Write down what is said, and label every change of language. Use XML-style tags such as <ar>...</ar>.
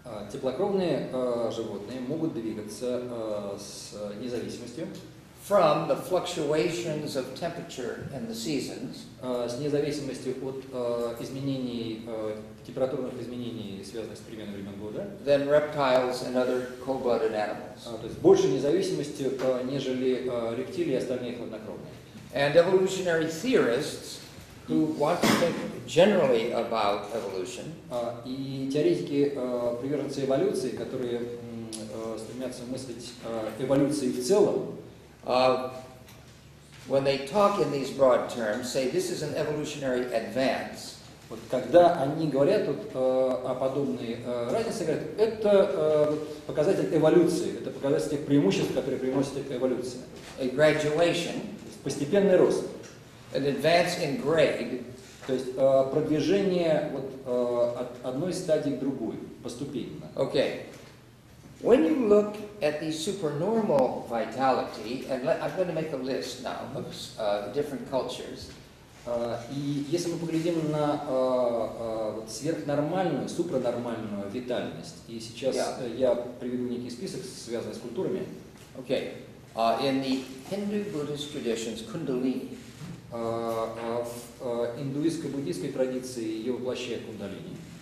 <ru>Теплокровные животные могут двигаться с независимостью.</ru> <en>From the fluctuations of temperature and the seasons,</en> <ru>с независимостью от изменений температурных изменений, связанных с переменой времен года,</ru> <en>than reptiles and other cold-blooded animals.</en> <ru>То есть больше независимости, нежели рептилии и остальные хладнокровные.</ru> <en>And evolutionary theorists who want to think generally about evolution,</en> <ru>и теоретики, приверженцы эволюции, которые стремятся мыслить эволюции в целом.</ru> <en>When they talk in these broad terms, say this is an evolutionary advance.</en> <ru>Вот когда они говорят вот, о подобной разнице, говорят, это вот, показатель эволюции, это показатель тех преимуществ, которые приносит эта эволюция.</ru> <en>A graduation,</en> <ru>постепенный рост.</ru> <en>An advance in grade,</en> <ru>то есть продвижение вот, от одной стадии к другой, поступенно.</ru> <en>Okay. When you look at the supernormal vitality, and I'm going to make a list now of different cultures.</en> <ru>И если мы поглядим на вот сверхнормальную, супранормальную витальность, и сейчас я приведу некий список, связанный с культурами.</ru> <en>Okay. In the Hindu-Buddhist traditions, Kundalini.</en> <ru>В индуистско-буддийской традиции ее воплощает Кундалини.</ru>